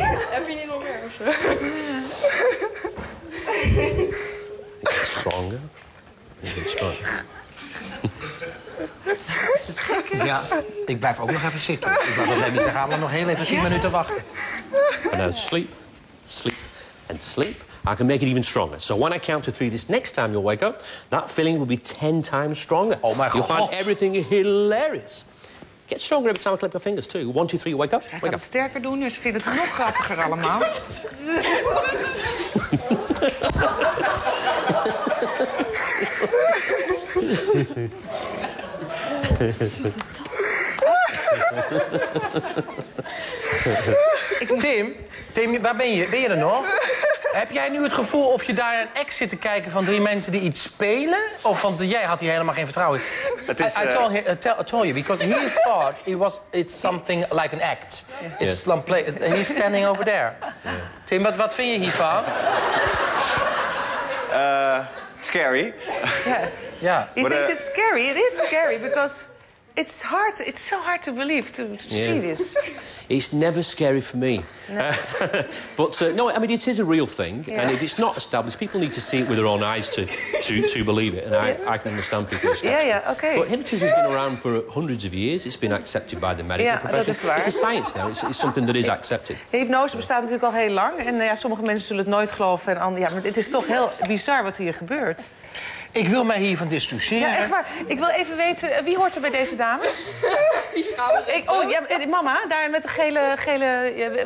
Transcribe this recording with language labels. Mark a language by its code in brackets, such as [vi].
[nl] Heb je niet nog meer of zo? Ja. Stronger? Ik ben stronger. Is het gek? Ja, ik blijf ook nog even zitten. Ik blijf nog even, gaan we nog heel even 10 minuten wachten. [en] And now sleep, sleep, and sleep. I can make it even stronger. So when I count to 3 this next time you'll wake up, that feeling will be 10 times stronger. Oh, my God. You'll find everything hilarious. Get stronger every time I clip your fingers, too. 1, 2, 3, wake up. [nl] Hij gaat het sterker doen, dus vindt het nog grappiger allemaal. Tim, waar ben je? Ben je er nog? Heb jij nu het gevoel of je daar een act zit te kijken van 3 mensen die iets spelen? Of want jij had hier helemaal geen vertrouwen in. [en] I told you, because he thought it's something like an act. Yeah. It's some play. He's standing over there. Yeah. [nl] Tim, wat vind je hiervan? [en] Scary. Yeah. He thinks it's scary. It is scary, because it's hard. It's so hard to believe, to see this. It's never scary for me. But it is a real thing. Yeah. And if it's not established, people need to see it with their own eyes to believe it. And I can understand people's skepticism. Yeah, yeah, okay. But hypnotism has been around for hundreds of years. It's been accepted by the medical profession. That is it's a science now. It's something that is accepted. [nl] Hypnose bestaat natuurlijk al heel lang. En sommige mensen zullen het nooit geloven. En anderen, maar het is toch heel bizar wat hier gebeurt. Ik wil mij hiervan distancieren. Ja, echt waar. Ik wil even weten, wie hoort er bij deze dames? Die schouder. Oh, ja, mama, daar met de gele...